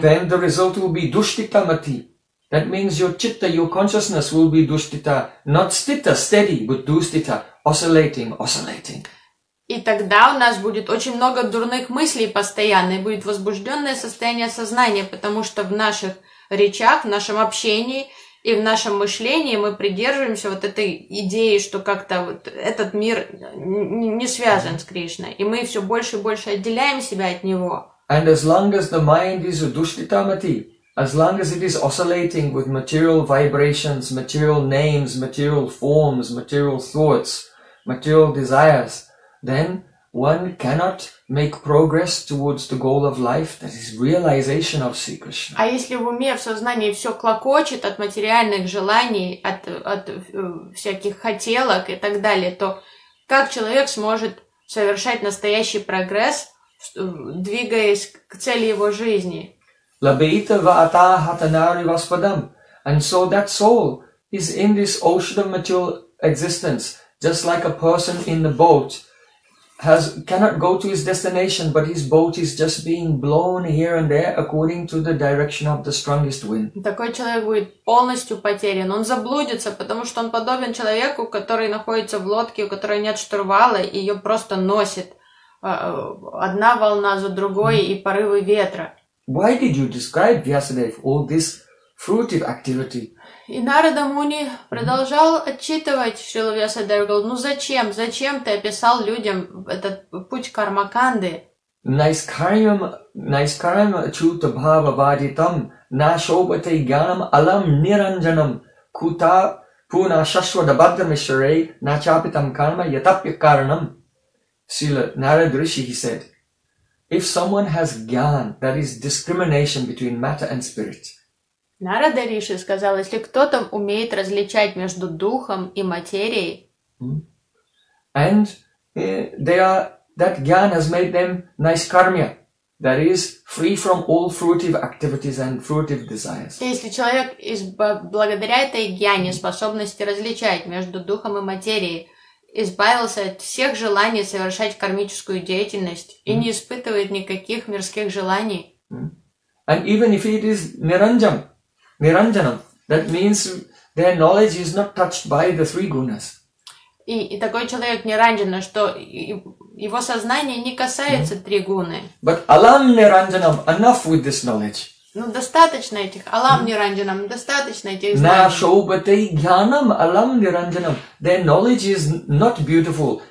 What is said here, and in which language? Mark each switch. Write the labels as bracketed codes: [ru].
[en] Then the result will be duṣṭita mati. That means your chitta, your consciousness will be duṣṭita, not sthita, steady, but duṣṭita, oscillating, oscillating. [ru] И тогда у нас будет очень много дурных мыслей постоянно, и будет возбужденное состояние сознания, потому что в наших речах, в нашем общении и в нашем мышлении мы придерживаемся вот этой идеи, что как-то вот этот мир не связан с Кришной, и мы все больше и больше отделяем себя от него. [en] And as long as the mind is a duṣṭita mati, as long as it is oscillating with material vibrations, material names, material forms, material thoughts, material desires, then one cannot make progress towards the goal of life, that is realization of Sri Krishna. [ru] А если в уме, в сознании все клокочет от материальных желаний, от всяких хотелок и так далее, то как человек сможет совершать настоящий прогресс, двигаясь к цели его жизни? [sa] Labhita vata hatanari vaspadam. [en] And so that soul is in this ocean of material existence, just like a person in the boat, cannot go to his destination, but his boat is just being blown here and there according to the direction of the strongest wind. [ru] Такой человек будет полностью потерян. Он заблудится, потому что он подобен человеку, который находится в лодке, у которой нет штурвала, и ее просто носит одна волна за другой и порывы ветра. [en] Why did you describe Vyasadeva all this fruitive activity? [ru] И Нарада Муни продолжал отчитывать Шрилу Вьясадеву, говорил, ну зачем? Зачем ты описал людям этот путь кармаканды? [sa] Найскарьям, найскарьям чута бхава вадитам, нашобате гьянам алам ниранджанам, кута пуна шашвада бхадрамишарей, начапитам карма ятапья карнам. [en] Шрила Нарада Риши, he said, if someone has gyan, that is discrimination between matter and spirit. [ru] Нарада Риши сказал, если кто-то умеет различать между духом и материей, [en] and they are, that gyan has made them naiskarmya, that is free from all fruitive activities and fruitive desires. [ru] Если человек благодаря этой гьяне, способности различать между духом и материей, избавился от всех желаний совершать кармическую деятельность и не испытывает никаких мирских желаний. [en] And even if it is niranjam, niranjanam, that means their knowledge is not touched by the three gunas. [ru] И такой человек ниранджана, что его сознание не касается три гуны. [en] But alam niranjanam, enough with this knowledge. [ru] Ну, достаточно этих алам ниранджанам, достаточно этих знаний. [sa] На шоубате гьянам алам ниранджанам. [en] Their knowledge is not beautiful.